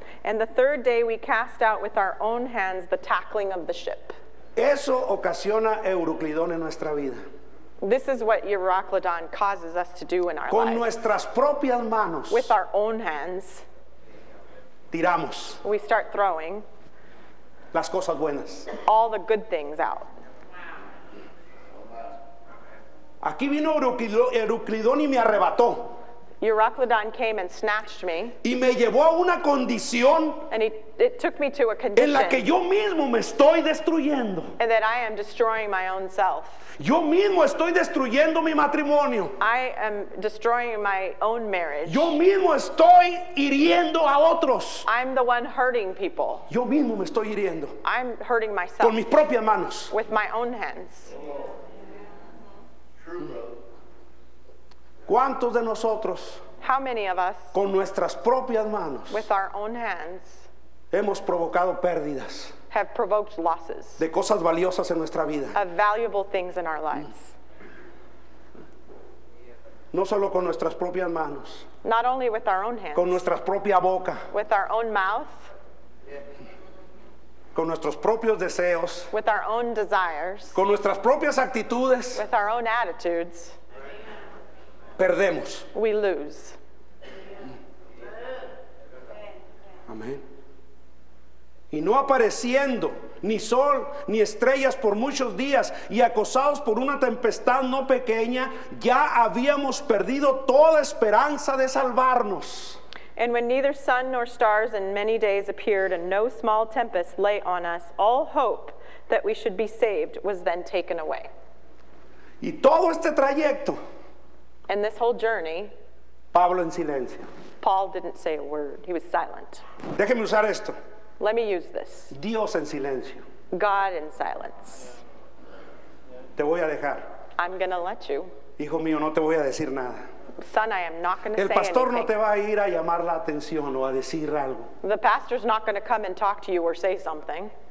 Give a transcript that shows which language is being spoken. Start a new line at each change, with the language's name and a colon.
English: And the third day we cast out with our own hands the tackling of the ship.
Spanish: Eso ocasiona Euroclidón en nuestra vida.
English: This is what Euroclidón causes us to do in our
Spanish: con
English: lives.
Spanish: Nuestras propias manos.
English: With our own hands.
Spanish: Tiramos.
English: We start throwing.
Spanish: Las cosas buenas.
English: All the good things out.
Spanish: Aquí vino Euroclidón y me arrebató.
English: Euryclodon came and snatched me.
Spanish: Y me llevó a una condición.
English: And it took me to a condition.
Spanish: En la que yo mismo me estoy destruyendo.
English: And that I am destroying my own self.
Spanish: Yo mismo estoy destruyendo mi matrimonio.
English: I am destroying my own marriage.
Spanish: Yo mismo estoy hiriendo a otros.
English: I'm the one hurting people.
Spanish: Yo mismo me estoy hiriendo.
English: I'm hurting myself.
Spanish: Con mis propias manos.
English: With my own hands.
Spanish: ¿Cuántos de nosotros,
English: how many of us,
Spanish: con nuestras propias manos,
English: with our own hands,
Spanish: hemos provocado pérdidas,
English: have provoked losses,
Spanish: de cosas valiosas en nuestra vida,
English: of valuable things in our lives?
Spanish: No solo con nuestras propias manos,
English: not only with our own hands,
Spanish: con nuestra propia boca,
English: with our own mouth,
Spanish: con nuestros propios deseos,
English: with our own desires,
Spanish: con nuestras propias actitudes,
English: with our own attitudes.
Spanish: Perdemos.
English: We lose.
Spanish: Amén. Y no apareciendo ni sol ni estrellas por muchos días, y acosados por una tempestad no pequeña, ya habíamos perdido toda esperanza de salvarnos.
English: And when neither sun nor stars in many days appeared, and no small tempest lay on us, all hope that we should be saved was then taken away.
Spanish: Y todo este trayecto,
English: and this whole journey,
Spanish: Pablo en silencio.
English: Paul didn't say a word. He was silent.
Spanish: Déjeme usar esto.
English: Let me use this.
Spanish: Dios en silencio.
English: God in silence.
Spanish: Te voy a dejar.
English: I'm going to let you.
Spanish: Hijo mío, no te voy a decir nada.
English: Son, I am not going to say anything.
Spanish: El pastor no te va a ir a llamar la atención o a decir algo.
English: The pastor's not going to come and talk to you or say something.